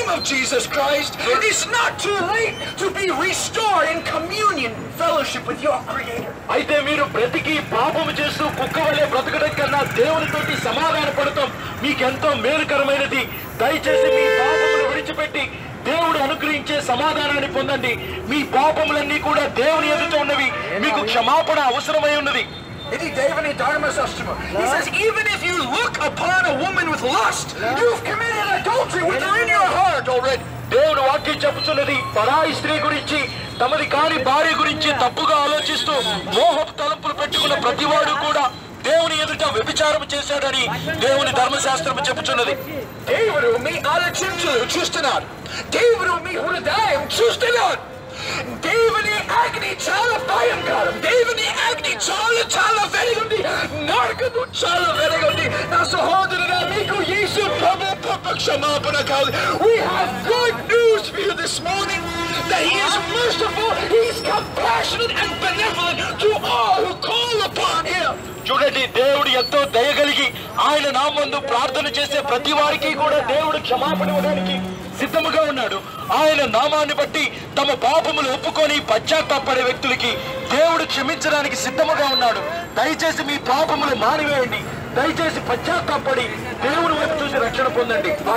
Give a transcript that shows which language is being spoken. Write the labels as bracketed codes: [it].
[en] Jesus Christ, it is not too late to be restored in communion fellowship with your creator. [te] అయితే మీరు బ్రతికి పాపము చేస్తూ కుక్క వలె బ్రతకడం కన్నా దేవునితోటి సమాధాన పడతాం మీకు ఎంతో మేలుకరమైనది. దయచేసి మీ పాపములను విడిచిపెట్టి దేవుడు అనుగ్రహించే సమాధానాన్ని పొందండి. మీ పాపములన్నీ కూడా దేవుని ఎదుట ఉన్నవి, మీకు క్షమాపణ అవసరమై ఉన్నది. [en] He says, even if you look upon a woman with lust, you've committed adultery with her in your heart already. [te] దేవుడు వాక్యం చెప్పుచున్నది పరాయి స్త్రీ గురించి తమది కాని భార్య గురించి తప్పుగా ఆలోచిస్తూ మోహపు తలంపులు పెట్టుకున్న ప్రతివాడు కూడా దేవుని ఎదుట వ్యభిచారం చేశాడని దేవుని ధర్మశాస్త్రం చెప్పుచున్నది. దేవుడు మీ ఆలోచనలు చూస్తున్నాడు. దేవుడు మీ హృదయం చూస్తున్నాడు. దేవుని అగ్ని చాలా భయంకరం. దేవుని అగ్ని చాలా చాలా వెలుగుంది. నరకము చాలా వెలుగుంది. నా సహోదరుడా, మీకు యేసు ప్రభు క్షమాపణ కావాలి. [en] We have good news for you this morning that he is merciful, he is compassionate and benevolent to all who call upon him. [te] చూడండి, దేవుడు ఎంతో దయగలిగి ఆయన నామందు ప్రార్థన చేసే ప్రతి వారికి కూడా దేవుడు క్షమాపణ ఇవ్వడానికి సిద్ధముగా ఉన్నాడు. ఆయన నామాన్ని బట్టి తమ పాపములు ఒప్పుకొని పశ్చాత్తాపడే వ్యక్తులకి దేవుడు క్షమించడానికి సిద్ధముగా ఉన్నాడు. దయచేసి మీ పాపములు మానివేయండి. దయచేసి పశ్చాత్తాపడి దేవుని వైపు చూసి రక్షణ పొందండి.